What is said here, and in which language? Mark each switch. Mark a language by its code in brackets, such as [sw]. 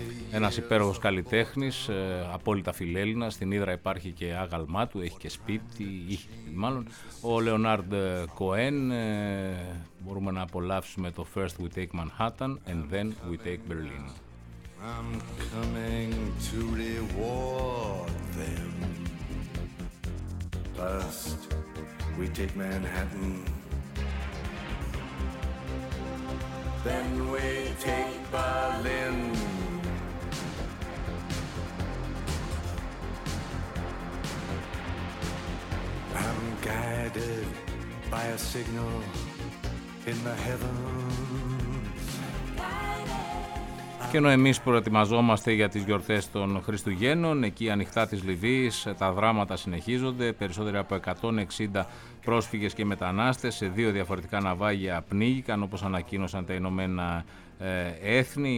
[el] Ένας υπέροχος καλλιτέχνης, απόλυτα φιλέλληνας, στην Ίδρα υπάρχει και άγαλμά του, έχει και σπίτι, ο Λεονάρντ Κοέν. Μπορούμε να απολαύσουμε το First We Take Manhattan and Then We Take Berlin. [en] I'm coming to reward them. First we take Manhattan. Then we take Berlin. I'm guided by a signal in the heavens. [el] Και ενώ εμείς προετοιμαζόμαστε για τις γιορτές των Χριστουγέννων, εκεί ανοιχτά της Λιβύης, τα δράματα συνεχίζονται. Περισσότεροι από 160 πρόσφυγες και μετανάστες σε δύο διαφορετικά ναυάγια πνίγηκαν, όπως ανακοίνωσαν τα Ηνωμένα Έθνη.